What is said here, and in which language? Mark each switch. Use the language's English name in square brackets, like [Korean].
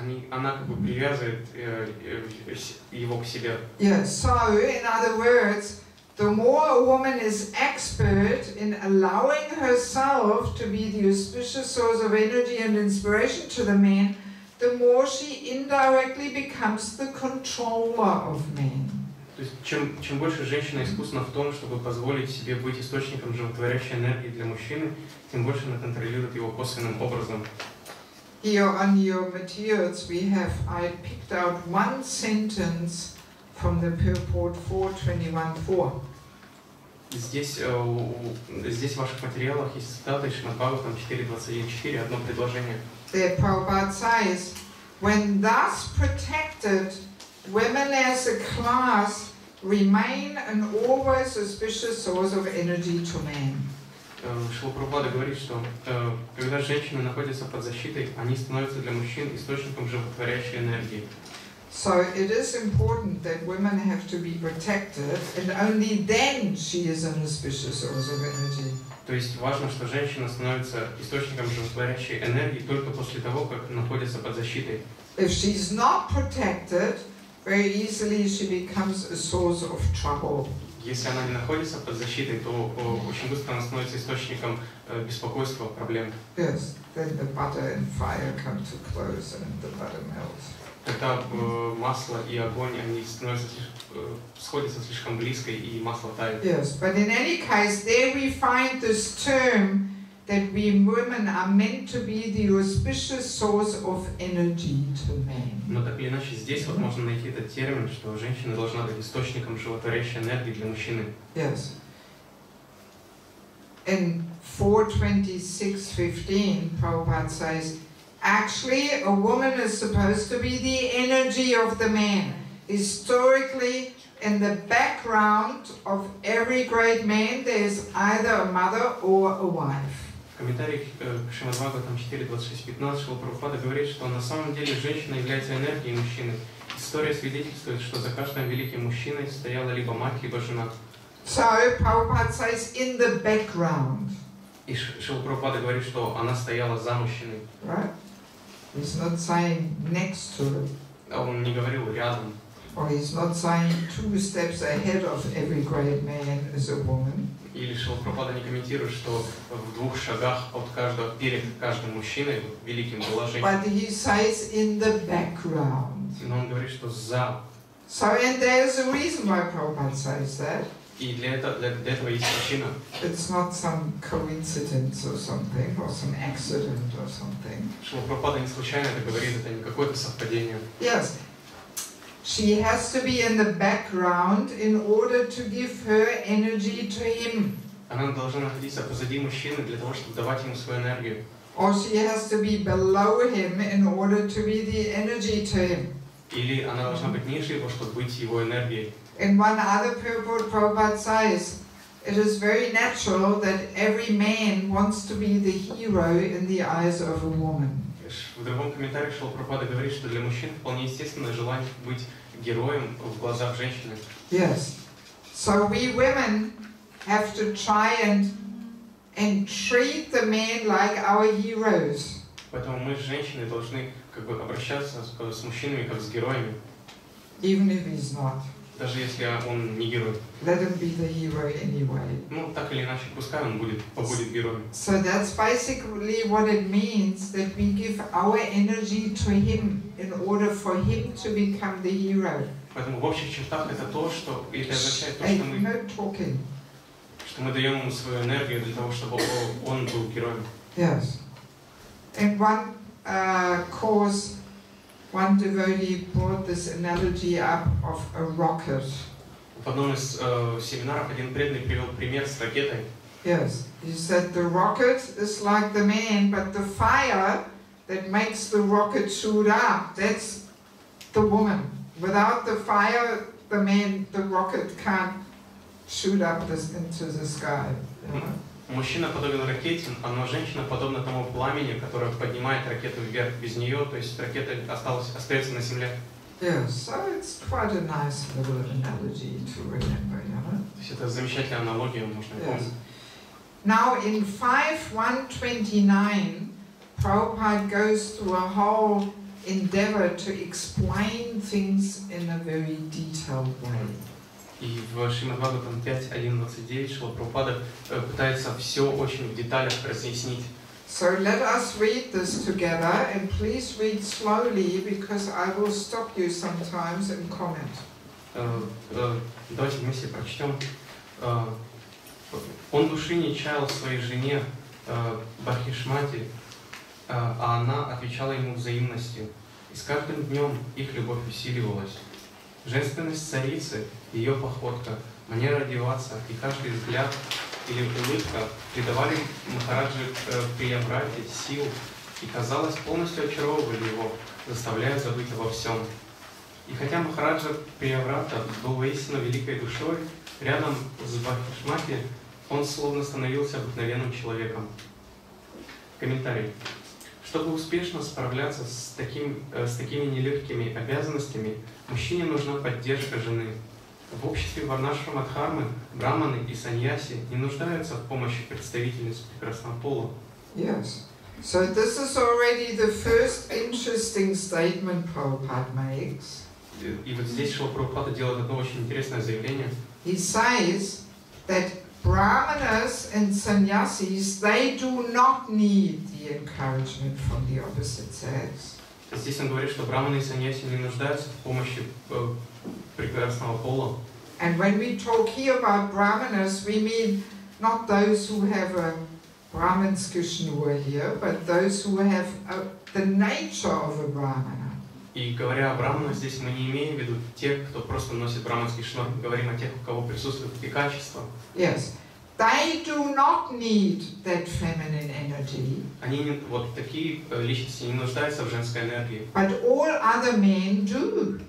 [Russian] Она как бы привязывает его к себе. [English] Yes, so, in other words, the more a woman is expert in allowing herself to be the auspicious source of energy and inspiration to the man, the more she indirectly becomes the controller of man. [Russian] То есть чем больше женщина искусна в том, чтобы позволить себе быть источником животворящей энергии для мужчины, тем больше она контролирует его косвенным образом. [English] Here on your materials we have, I picked out one sentence from the purport 4.21.4. [Russian] Здесь в ваших материалах есть цитата из Шримад-Бхагаватам 4.21.4, одно предложение. [English] There Prabhupada says, when thus protected, women as a class remain an always auspicious source of energy to men. [Russian] Шрила Прабхупада говорит, что когда женщины находятся под защитой, они становятся для мужчин источником животворящей энергии. [English] So it is important that women have to be protected, and only then she is an auspicious source of energy. [Russian] То есть важно, что женщина становится источником животворящей энергии только после того, как находится под защитой. [English] If she is not protected, very easily she becomes a source of trouble. [Russian] Если она не находится под защитой, то очень быстро она становится источником беспокойства, проблем. [English] Yes, then the butter and fire come too close and the butter melts. [Russian] Тогда масло и огонь, они сходятся слишком близко, и масло тает. [English] Yes, but in any case, there we find this term that we women are meant to be the auspicious source of energy to men. [Russian] Но так или иначе, здесь вот можно найти этот термин, что женщина должна быть источником животворящей энергии для мужчины. [English] Yes. In 4.26.15, Prabhupada says, actually, a woman is supposed to be the energy of the man. Historically, in the background of every great man, there is either a mother or a wife. [Russian] В комментариях к Шримад-Бхагаватам 4.26.15 Шрила Прабхупада говорит, что на самом деле женщина является энергией мужчины. История свидетельствует, что за каждым великим мужчиной стояла либо мать, либо жена. [English] So, Prabhupada says, in the background. [Russian] И Шрила Прабхупада говорит, что она стояла за мужчиной. [English] Right? He's not saying next to him. [Russian] Он не говорил рядом. [English] Or he's not saying two steps ahead of every great man is a woman. [Russian] Или Шрила Прабхупада не комментирует, что в двух шагах от каждого, перед каждым мужчиной, великим была женщина. [English] But he says in the background. [Russian] Но он говорит, что за. [English] So, and there is a reason why Prabhupada says that. [Russian] И для этого есть причина. [English] It's not some coincidence or something, or some accident or something. [Russian] Шрила Прабхупада не случайно это говорит, это не какое-то совпадение. [English] Yes. She has to be in the background in order to give her energy to him. [Russian] Она должна находиться позади мужчины для того, чтобы давать ему свою энергию. [English] Or she has to be below him in order to be the energy to him. [Russian] Или она должна быть ниже его, чтобы быть его энергией. [English] In one other purport, Prabhupada says, it is very natural that every man wants to be the hero in the eyes of a woman. [Russian] В другом комментарии Шрила Прабхупада говорит, что для мужчин вполне естественно желание быть героем в глазах женщины. [English] Yes. So we women have to try and treat the men like our heroes. [Russian] Поэтому мы, женщины, должны как бы обращаться с мужчинами как с героями. [English] Even if he's not. [Russian] Даже если он не герой. [English] Let him be the hero anyway. [Russian] Ну, так или иначе, пускай он побудет героем. [English] So that's basically what it means, that we give our energy to him in order for him to become the hero. [Russian] Поэтому в общих чертах это означает, что мы даем ему свою энергию для того, чтобы он был героем. [English] Yes. In one course, One devotee brought this analogy up of a rocket. [Russian] В одном из семинаров один преданный привел пример с ракетой. [English] Yes, he said the rocket is like the man, but the fire that makes the rocket shoot up, that's the woman. Without the fire, the man, the rocket can't shoot up this into the sky. [Russian] Мужчина подобен ракете, а женщина подобна тому пламени, которое поднимает ракету вверх. Без нее, то есть ракета остается на земле. [English] Yes, so it's quite a nice little analogy to remember, yeah? [Russian] То есть это замечательная аналогия, можно помнить. [English] Now in 5.129, Prabhupada goes through a whole endeavor to explain things in a very detailed way. [Russian] И в Шримад-Бхагаватам 5.129 Шрила Прабхупада пытается все очень в деталях разъяснить. [English] So let us read this together, and please read slowly, because I will stop you sometimes and comment. [Russian] Давайте вместе прочтем. Он души не чаял своей жене, Бахишмати, а она отвечала ему взаимностью, и с каждым днем их любовь усиливалась. Женственность царицы, ее походка, манера одеваться и каждый взгляд или улыбка придавали Махараджи Приябрати сил и, казалось, полностью очаровывали его, заставляя забыть обо всем. И хотя Махараджа Приябрата был воистину великой душой, рядом с Бахишмати он словно становился обыкновенным человеком. Комментарий. Чтобы успешно справляться с такими нелегкими обязанностями, мужчине нужна поддержка жены. В обществе варнашрама дхармы браманы и саньяси не нуждаются в помощи представительниц прекрасного пола. [English] Yes. So this is already the first interesting statement Prabhupada makes. [Russian] И вот здесь Шрила Прабхупада делает одно очень интересное заявление. [English] He says that brahmanas and sannyasis, they do not need the encouragement from the opposite sex. [Russian] Здесь он говорит, что брахманы и саньяси не нуждаются в помощи прекрасного пола. [English] And when we talk here about brahmanas, we mean not those who have a brahman's kishnua here, but those who have the nature of a brahmana. [Russian] И говоря о брахманах, здесь мы не имеем в виду тех, кто просто носит брахманский шнур. Мы говорим о тех, у кого присутствуют такие качества. [English] Yes. They do not need that feminine energy. [Russian] Они не, вот такие личности не нуждаются в женской энергии. [English] But all other men do.